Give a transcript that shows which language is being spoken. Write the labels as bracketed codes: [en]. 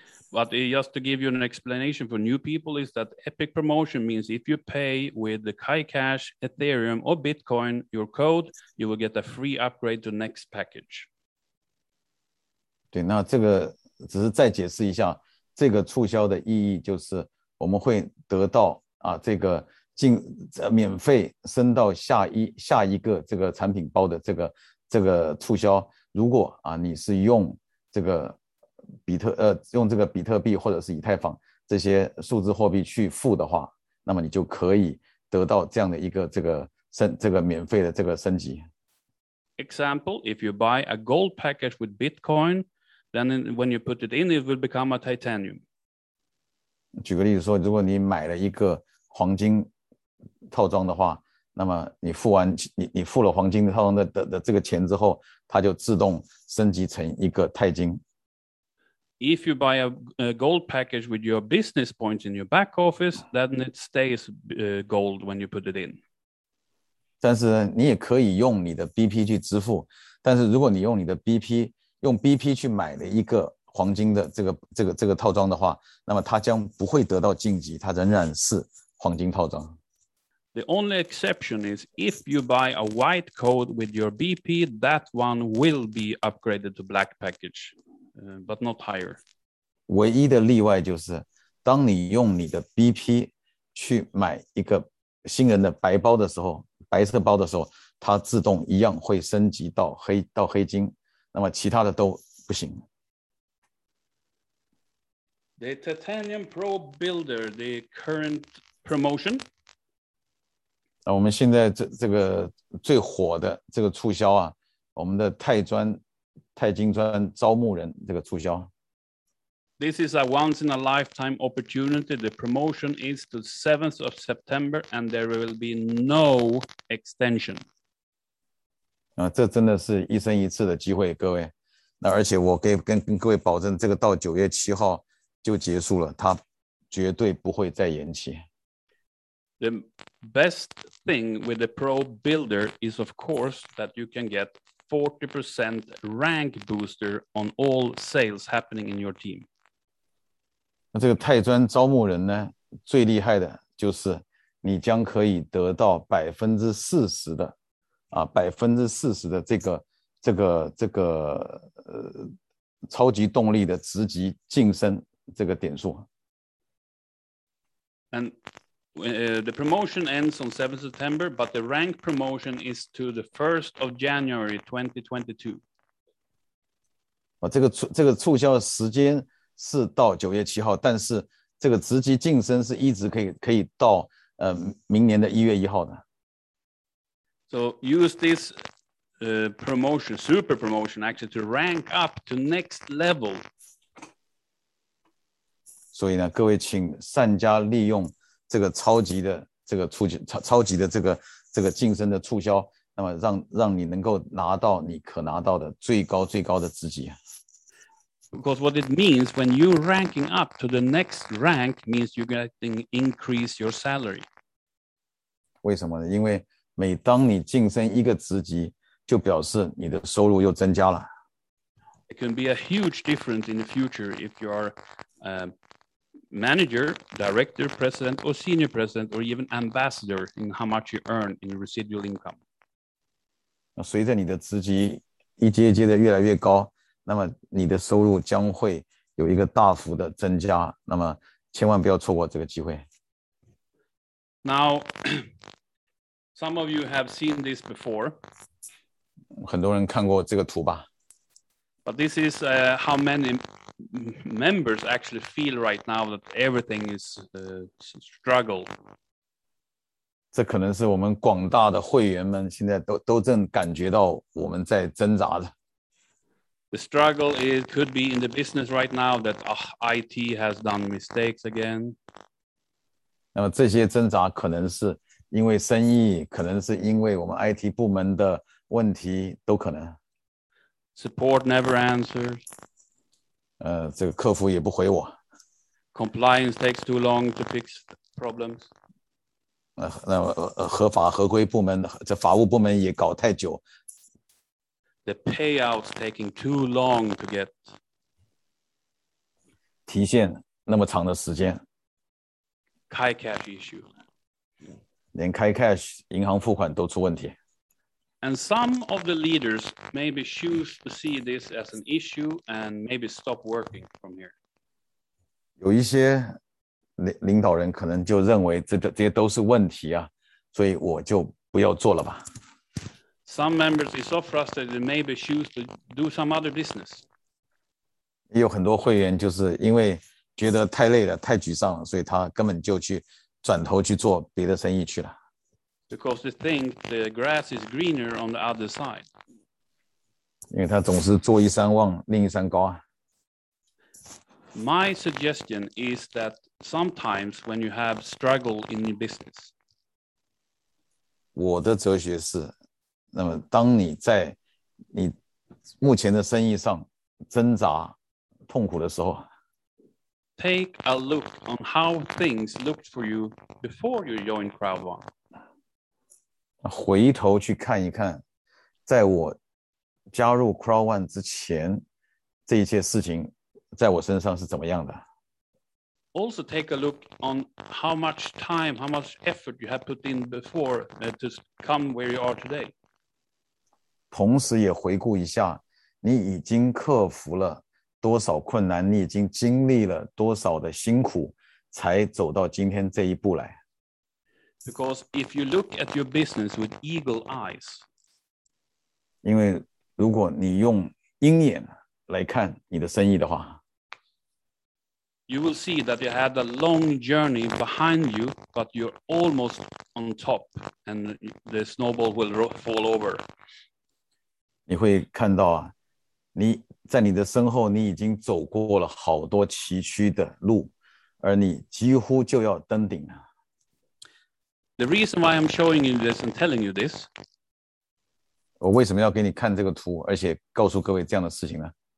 [en] But just to give you an explanation for new people is that Epic promotion means if you pay with the Kai Cash, Ethereum or Bitcoin, your code, you will get a free upgrade to next package. [zh] 对，那这个只是再解释一下，这个促销的意义就是我们会得到啊这个进免费升到下一个这个产品包的这个促销。如果啊你是用这个比特币或者是以太坊这些数字货币去付的话，那么你就可以得到这样的一个这个免费的这个升级。 [en] Example, if you buy a gold package with Bitcoin, then when you put it in, it will become a titanium. [zh] 举个例子说，如果你买了一个黄金套装的话，那么你付了黄金套装的这个钱之后，它就自动升级成一个钛金。 [en] If you buy a gold package with your business points in your back office, then it stays gold when you put it in. [zh] 但是你也可以用你的 BP 去支付，但是如果你用 BP 去买了一个黄金的这个套装的话，那么它将不会得到晋级，它仍然是黄金套装。 [en] The only exception is if you buy a white code with your BP, that one will be upgraded to black package. But not higher. [zh] 唯一的例外就是当你用你的 BP 去买一个新人的白包的时候，白色包的时候，它自动一样会升级到黑金，那么其他的都不行。 [en] The Titanium Pro Builder, the current promotion. [zh] 那我们现在这个最火的这个促销啊，我们的钛金砖招募人这个促销。 [en] This is a once in a lifetime opportunity. The promotion is to 7th of September and there will be no extension. [zh] 这真的是一生一次的机会，各位。那而且我可以跟各位保证，这个到9月7号就结束了，它绝对不会再延期。 [en] The best thing with the Pro Builder is of course that you can get 40% rank booster on all sales happening in your team. [zh] 那这个钛砖招募人呢，最厉害的就是你将可以得到40%的啊，40%的这个超级动力的职级晋升这个点数。 [en] And the promotion ends on 7th September, but the rank promotion is to the 1st of January 2022. [zh] 这个促销时间是到9月7号，但是这个职级晋升是一直可以到明年的1月1号的。 [en] So use this promotion, super promotion actually, to rank up to next level. [zh] 所以呢，各位请善加利用这个超级的这个促销，超级的这个晋升的促销，那么让你能够拿到你可拿到的最高最高的职级。 [en] Because what it means when you ranking up to the next rank means you're getting increase your salary. [zh] 为什么呢？因为每当你晋升一个职级，就表示你的收入又增加了。 [en] It can be a huge difference in the future if you are, manager, director, president, or senior president, or even ambassador in how much you earn in residual income. [zh] 随着你的职级一阶一阶的越来越高，那么你的收入将会有一个大幅的增加，那么千万不要错过这个机会。 [en] Now, some of you have seen this before. [zh] 很多人看过这个图吧。 [en] But this is how many members actually feel right now that everything is struggle. [zh] 这可能是我们广大的会员们现在都正感觉到我们在挣扎的。 [en] The struggle is could be in the business right now that IT has done mistakes again. [zh] 那么这些挣扎可能是因为生意，可能是因为我们 IT 部门的问题，都可能。 [en] Support never answers. [zh] 这个客服也不回我。 [en] Compliance takes too long to fix problems. [zh] 合法合规部门，这法务部门也搞太久。 [en] The payouts taking too long to get. [zh] 提现那么长的时间。 [en] 开 cash issue. [zh] 连开 cash 银行付款都出问题。 [en] And some of the leaders maybe choose to see this as an issue and maybe stop working from here. [zh] 有一些领导人可能就认为这些都是问题啊，所以我就不要做了吧。 [en] Some members are so frustrated they maybe choose to do some other business. [zh] 有很多会员就是因为觉得太累了，太沮丧了，所以他根本就去转头去做别的生意去了。 [en] Because they think the grass is greener on the other side. [zh] 因为他总是坐一山望另一山高啊。 [en] My suggestion is that sometimes when you have struggle in your business. [zh] 我的哲学是，那么当你在你目前的生意上挣扎痛苦的时候。 [en] Take a look on how things looked for you before you joined CrowdOne. [zh] 回头去看一看，在我加入 CrowdOne 之前，这一切事情在我身上是怎么样的。 [en] Also take a look on how much time, how much effort you have put in before to come where you are today. [zh] 同时也回顾一下，你已经克服了多少困难，你已经经历了多少的辛苦，才走到今天这一步来。 [en] Because if you look at your business with eagle eyes, [zh] 因为如果你用鹰眼来看你的生意的话 [en] ，you will see that you had a long journey behind you, but you're almost on top, and the snowball will fall over. [zh] 你会看到啊，你。在你的身后，你已经走过了好多崎岖的路，而你几乎就要登顶了。 [en] The reason why I'm showing you this and telling you this， [zh] 我为什么要给你看这个图，而且告诉各位这样的事情呢